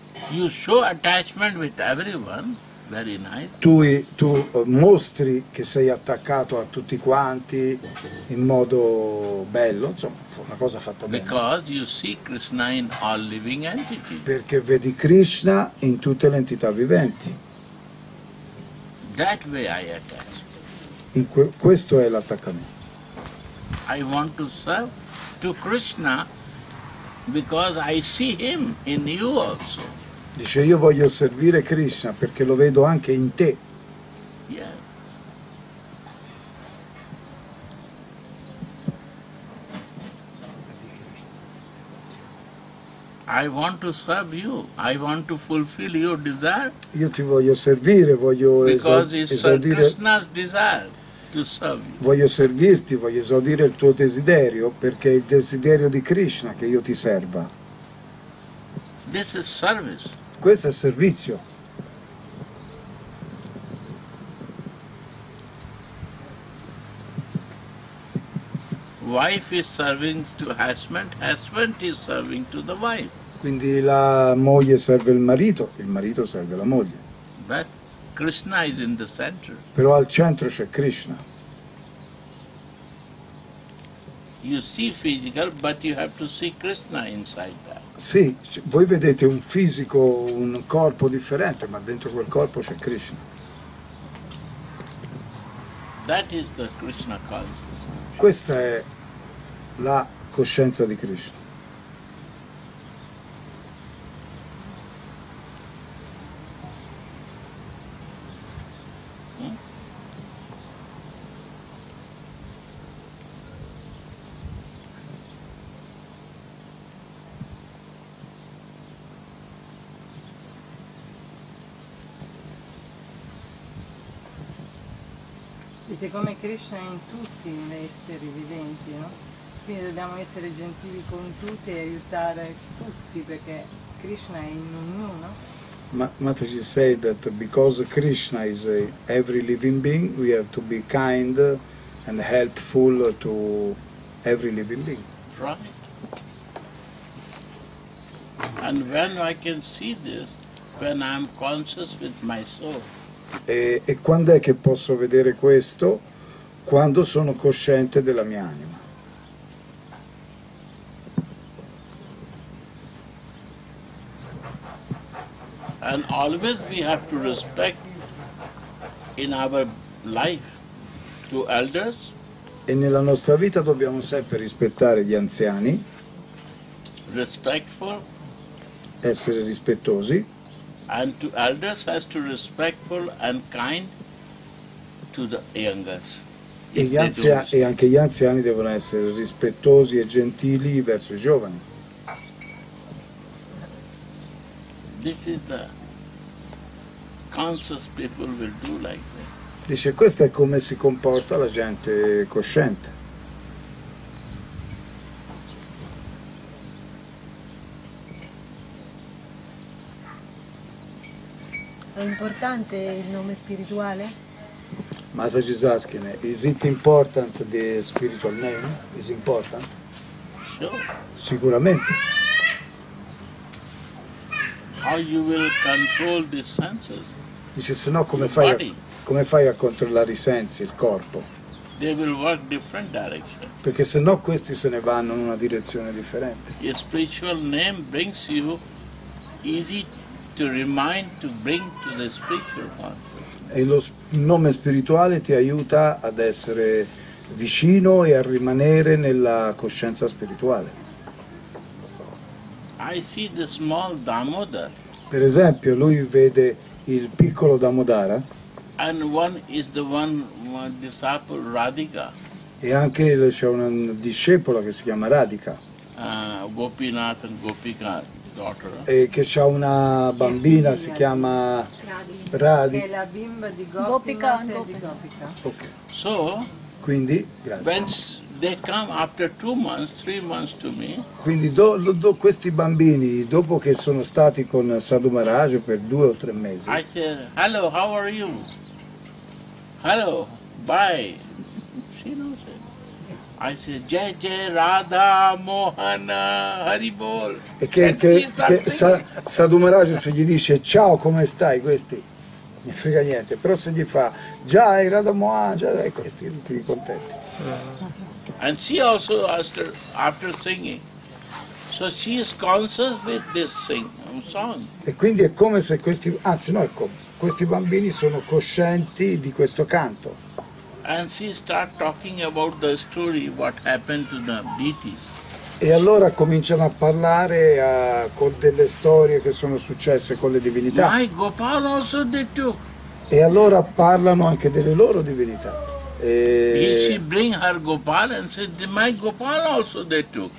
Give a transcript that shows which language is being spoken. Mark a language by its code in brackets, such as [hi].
[en] You show attachment with everyone, very nice. [it] Tu mostri che sei attaccato a tutti quanti in modo bello, insomma, una cosa fatta bene. [en] Because you see Krishna in all living entities. [it] Perché vedi Krishna in tutte le entità viventi. [en] That way I attach. [it] Questo è l'attaccamento. [en] I want to serve to Krishna because I see him in you also. [it] Dice io voglio servire Krishna perché lo vedo anche in te. [en] Yeah. I want to serve you. I want to fulfill your desire. [it] Io ti voglio servire, voglio esaudire. [en] Because it's Krishna's desire to serve you. [it] Voglio servirti, voglio esaudire il tuo desiderio, perché è il desiderio di Krishna che io ti serva. [en] This is service. [it] Questo è servizio. [en] Wife is serving to husband, husband is serving to the wife. [it] Quindi la moglie serve il marito serve la moglie. [en] But Krishna is in the center. [it] Però al centro c'è Krishna. [en] You see physical, but you have to see Krishna inside that. [it] Sì, voi vedete un fisico, un corpo differente, ma dentro quel corpo c'è Krishna. [en] That is the Krishna consciousness. [it] Questa è la coscienza di Krishna. Come Krishna in tutti gli esseri viventi, no? Quindi dobbiamo essere gentili con tutti e aiutare tutti, perché Krishna è in ognuno. [en] Mataji said that because Krishna is every living being, we have to be kind and helpful to every living being. Right. And when I can see this, when I am conscious with my soul. [it] E quando è che posso vedere questo? Quando sono cosciente della mia anima. [en] And always we have to respect in our life to elders. [it] E nella nostra vita dobbiamo sempre rispettare gli anziani. [en] Respectful. [it] Essere rispettosi. [en] And to elders has to respectful and kind to the youngest. [it] E anche gli anziani devono essere rispettosi e gentili verso i giovani. [en] This is the conscious people will do like that. [it] Dice, questo è come si comporta la gente cosciente. È importante il nome spirituale? [en] Mataji is asking, is it important the spiritual name? Is important? Sure. [it] Sicuramente. [en] How you will control the senses? [it] Dice, se no come fai a controllare i sensi, il corpo? [en] They will work different direction. [it] Perché se no questi se ne vanno in una direzione differente. [en] The spiritual name brings you easy to remind, to bring to the spiritual one. [it] E lo nome spirituale ti aiuta ad essere vicino e a rimanere nella coscienza spirituale. [en] I see the small Damodar. [it] Per esempio, lui vede il piccolo Damodara. [en] And one is the one disciple Radhika. [it] E anche c'è una discepola che si chiama Radhika. [en] Gopinath and Gopika. [it] E che c'ha una bambina, si chiama Radhi. È la bimba di Gopika. [en] Okay. So, [it] quindi, grazie. [en] When they come after 2 months, 3 months to me. [it] Quindi questi bambini, dopo che sono stati con Sadhu Maharaj per 2 o 3 mesi. [en] I said, hello, how are you? Hello, bye. She knows it. I said, Jai Jai Radha Mohana Haribol. [it] E che Sadhu Maharaj, se gli dice ciao come stai, questi mi frega niente, però se gli fa Jai Radha Mohana, questi tutti contenti. [en] And she also asked after singing. So she is conscious with this song. [it] E quindi è come se questi, anzi no, ecco, questi bambini sono coscienti di questo canto. [en] And she start talking about the story what happened to the deities. [it] E allora cominciano a parlare con delle storie che sono successe con le divinità. [en] My Gopal also did too. [it] E allora parlano anche delle loro divinità. E [en] she bring her Gopal and said my Gopal also did too.